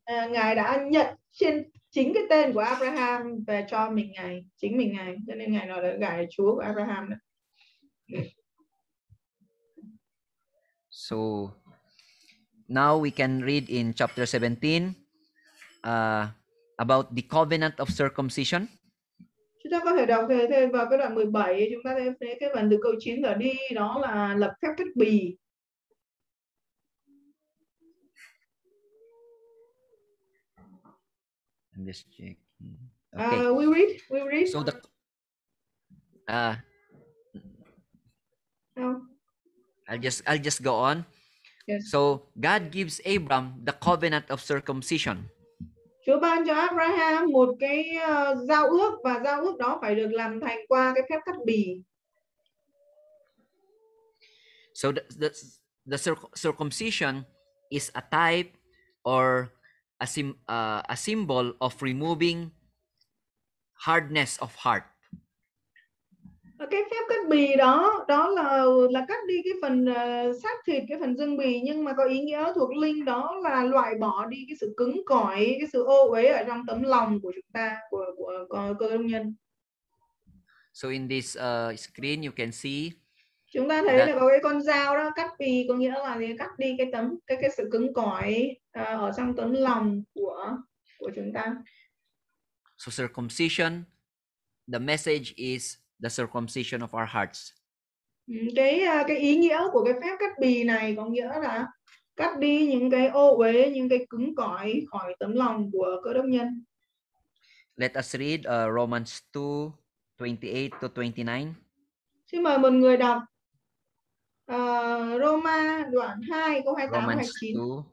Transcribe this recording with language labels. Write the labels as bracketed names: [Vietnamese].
[Vietnamese] Ngài đã nhận trên chính cái tên của Abraham về cho mình Ngài, chính mình Ngài, cho nên Ngài nói là Ngài là Chúa của Abraham. [English] So now we can read in chapter 17 about the covenant of circumcision. [Vietnamese] Chúng ta có thể đọc thêm vào cái đoạn 17, chúng ta thấy cái phần từ câu 9 trở đi đó là lập phép kết bì. [English] I'm just checking. Okay. We read. So the I'll just go on. Yes. So God gives Abram the covenant of circumcision. [Vietnamese] Chúa ban cho Abraham một cái giao ước và giao ước đó phải được làm thành qua cái phép cắt bì. [English] So the circumcision is a type or a symbol of removing hardness of heart. [Vietnamese] Cái phép cắt bì đó là cắt đi cái phần xác thịt, cái phần dương bì, nhưng mà có ý nghĩa thuộc linh, đó là loại bỏ đi cái sự cứng cỏi, cái sự ô uế ở trong tấm lòng của chúng ta, của cơ đốc nhân. [English] So in this screen you can see. [Vietnamese] Chúng ta thấy là có cái con dao đó cắt đi, có nghĩa là gì? Cắt đi cái tấm cái sự cứng cỏi ở trong tấm lòng của chúng ta. [English] So circumcision, the message is the circumcision of our hearts. [Vietnamese] Cái ý nghĩa của cái phép cắt bì này có nghĩa là cắt đi những cái ô uế, những cái cứng cỏi khỏi tấm lòng của cơ đốc nhân. [English] Let us read Romans 2:28-29. [Vietnamese] Xin mời một người đọc Roma đoạn 2 câu 28-29.